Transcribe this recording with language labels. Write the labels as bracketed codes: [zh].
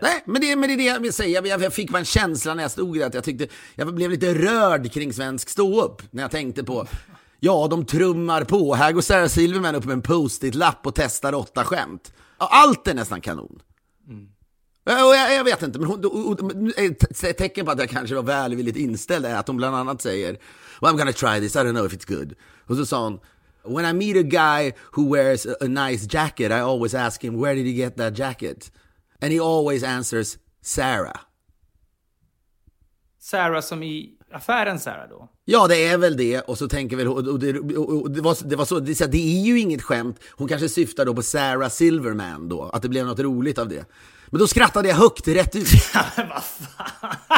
[sv] Nej, men det är det jag vill säga. Jag fick bara en känsla när jag stod där, att jag blev lite rörd kring svensk stå upp när jag tänkte på, ja, de trummar på. Här går Sarah Silverman upp med en post-it-lapp och testar 8 skämt. Allt är nästan kanon. Och jag vet inte, men ett tecken på att jag kanske var välvilligt inställd är att hon bland annat säger, [en] well, I'm gonna try this, I don't know if it's good. [sv] Och så sa hon, [en] when I meet a guy who wears a nice jacket, I always ask him, where did you get that jacket? And he always answers, Sarah. [sv] Sarah som i affären Sarah då? Ja, det är väl det. Och så tänker väl, det var så, det är ju inget skämt. Hon kanske syftar då på Sarah Silverman då, att det blev något roligt av det. Men då skrattade jag högt rätt ut. Vad fan?